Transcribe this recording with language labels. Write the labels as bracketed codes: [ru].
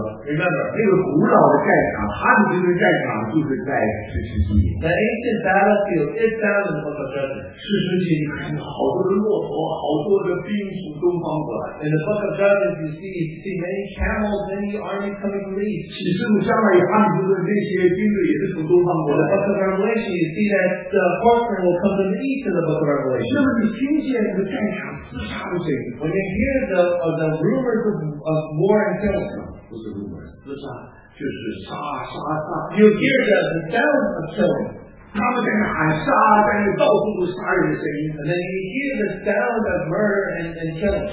[en] Remember, the ancient battlefield is found in the book of Judges. [zh] 四世纪你看到好多的骆驼，好多的兵从东方过来。 [en] In the Book of Judges, you see many camels, many army coming from the east. [zh] 启示录下面也看出的那些军队也是从东方过来。 [en] In the Book of Revelation, you see that the horsemen will come from the east in the Book of Revelation. [zh] 那么你听见那个战场厮杀的声音 [en] ？When you hear the rumors of war and killing. [zh] 不是 rumors， 厮杀就是杀杀杀。 [en] You hear the sounds of killing. [zh] 他们在喊杀，但是到处都杀人的声音。 [en] And then you hear the sound of murder and killing.